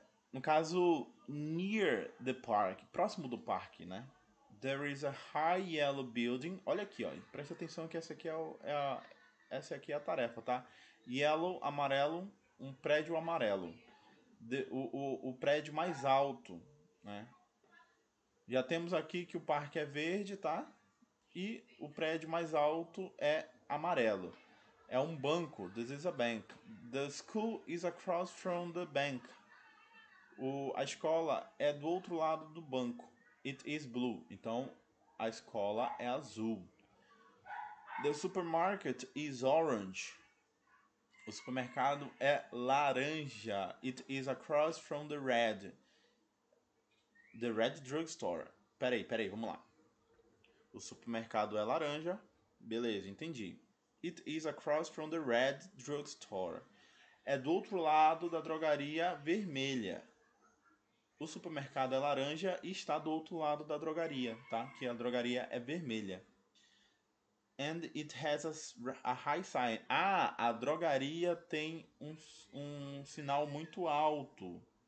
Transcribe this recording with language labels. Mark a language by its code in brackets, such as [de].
[pt] No caso, [en] near the park, [pt] próximo do parque, né? [en] There is a high yellow building. [pt] Olha aqui, ó. Presta atenção que essa aqui é a tarefa, tá? Yellow, amarelo, um prédio amarelo. O prédio mais alto, né? Já temos aqui que o parque é verde, tá? E o prédio mais alto é amarelo. É um banco. [en] This is a bank. The school is across from the bank. [pt] A escola é do outro lado do banco. [en] It is blue. [pt] Então, a escola é azul. [en] The supermarket is orange. [pt] O supermercado é laranja. [en] It is across from the red. The red drugstore. [pt] Peraí, vamos lá. O supermercado é laranja. Beleza, entendi. [en] It is across from the red drugstore. [pt] É do outro lado da drogaria vermelha. O supermercado é laranja e está do outro lado da drogaria, tá? Que a drogaria é vermelha. [en] And it has a high sign. [pt] Ah, a drogaria tem um sinal muito alto.